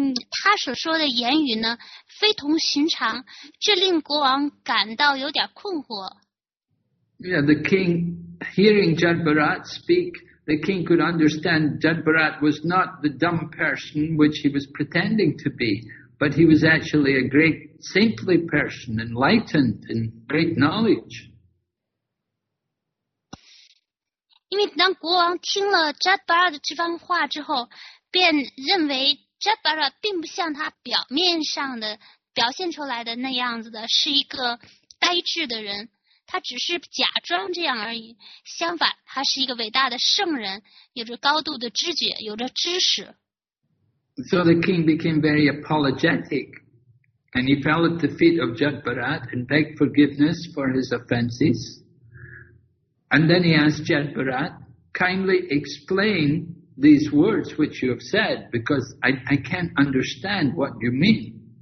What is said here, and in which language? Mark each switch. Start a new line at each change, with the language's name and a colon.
Chinese: 他所说的言语呢，非同寻常，这令国王感到有点困惑。
English: Yeah, the king hearing Judd Barat speak, the king could understand Judd Barat was not the dumb person which he was pretending to be. But he was actually a great saintly person, enlightened and great knowledge.
Chinese: 因为当国王听了 Judd Barat 这番话之后，便认为 Judd Barat 并不像他表面上的表现出来的那样子的，是一个呆滞的人。他只是假装这样而已。相反，他是一个伟大的圣人，有着高度的知觉，有着知识。
English: So the king became very apologetic and he fell at the feet of Judd Barat and begged forgiveness for his offenses. And then he asked Judd Barat, kindly explain these words which you have said because I can't understand what you mean.